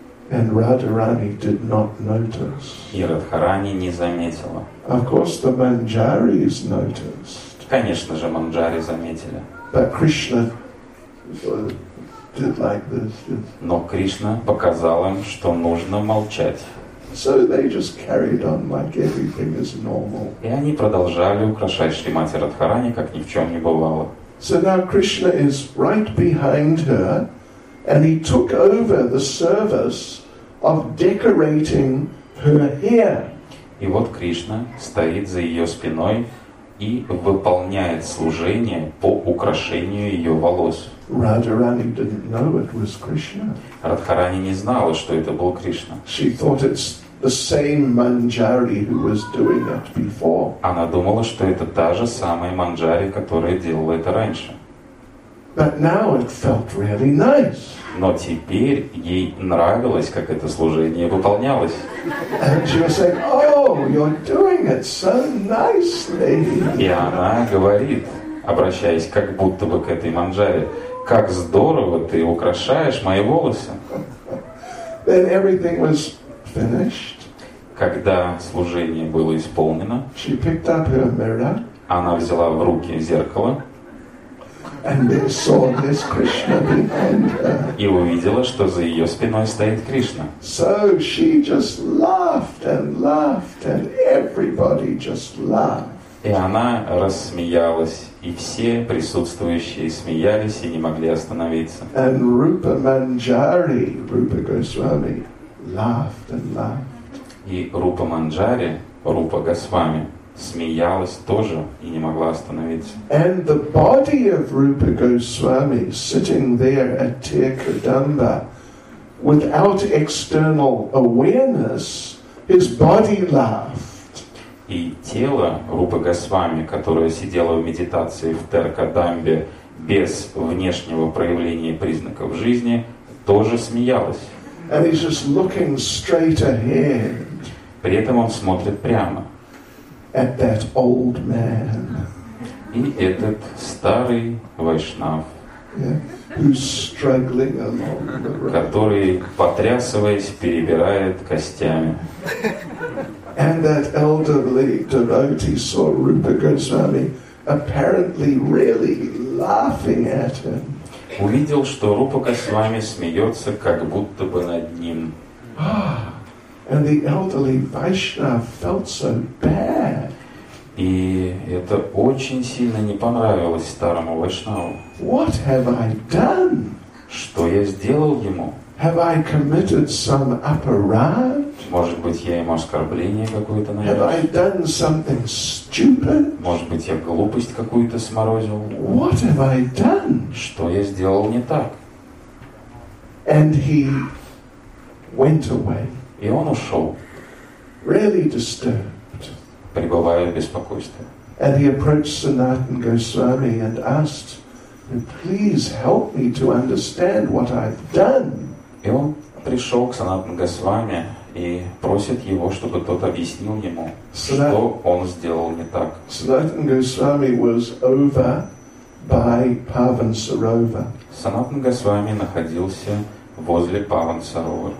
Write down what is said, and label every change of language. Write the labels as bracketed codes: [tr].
[en] And Radharani did not notice. [ru] И Радхарани не заметила. [en] Of course, the Manjaris noticed. [ru] Конечно же, Манджари заметили. [en] But Krishna did like this. [ru] Но Кришна показал им, что нужно молчать. [en] So they just carried on like everything is normal. [ru] И они продолжали украшать Шримати Радхарани, как ни в чем не бывало. [en] So now Krishna is right behind her, and he took over the service of decorating her hair. [ru] И вот Кришна стоит за ее спиной и выполняет служение по украшению ее волос. [en] Radharani didn't know it was Krishna. [ru] Радхарани не знала, что это был Кришна. [en] She thought it's the same Manjari who was doing it before. [ru] Она думала, что это та же самая Манджари, которая делала это раньше. [en] But now it felt really nice. [ru] Но теперь ей нравилось, как это служение выполнялось. [en] And she was saying, "Oh, you're doing it so nicely." [ru] И она говорит, обращаясь как будто бы к этой Манджари, как здорово ты украшаешь мои волосы. [en] Then everything was finished. [ru] Когда служение было исполнено, [en] she picked up her mirror, [ru] она взяла в руки зеркало [en] and then saw this Krishna behind her. [ru] И увидела, что за ее спиной стоит Кришна. [en] So she just laughed and laughed, and everybody just laughed. [ru] И она рассмеялась, и все присутствующие смеялись и не могли остановиться. [en] And Rupa Manjari, Rupa Goswami, laughed and laughed. [ru] И Рупа Манджари, Рупа Госвами, смеялась тоже и не могла остановиться. [en] And the body of Rupa Goswami sitting there at Tir Kadamba, without external awareness, his body laughed. [ru] И тело Рупы Госвами, которое сидело в медитации в Теркадамбе без внешнего проявления признаков жизни, тоже смеялось. [en] And he's just looking straight ahead. [ru] При этом он смотрит прямо. [en] At that old man. [ru] И этот старый вайшнав, [en] yeah, who's struggling along the [ru] road, который, потрясываясь, перебирает костями. [en] And that elderly devotee saw Rupa Goswami apparently really laughing at him. [ru] Увидел, что Рупа Госвами смеется, как будто бы над ним. [en] And the elderly Vaishnava felt so bad. [ru] И это очень сильно не понравилось старому вайшнаву. [en] What have I done? [ru] Что я сделал ему? [en] Have I committed some aparad? [ru] Может быть, я ему оскорбление какое-то нанес? [en] Have I done something stupid? [ru] Может быть, я глупость какую-то сморозил? [en] What have I done? [ru] Что я сделал не так? [en] And he went away. [ru] И он ушел. [en] Really disturbed. [ru] Пребывая в беспокойстве. [en] And he approached Sanatana Goswami and asked, "Please help me to understand what I've done." [ru] И он пришел к Санатану Госвами и просит его, чтобы тот объяснил ему, что он сделал не так. [en] Санатан Госвами was over by Pavan Sarova. [ru] Санатан Госвами находился возле Паван Сарова.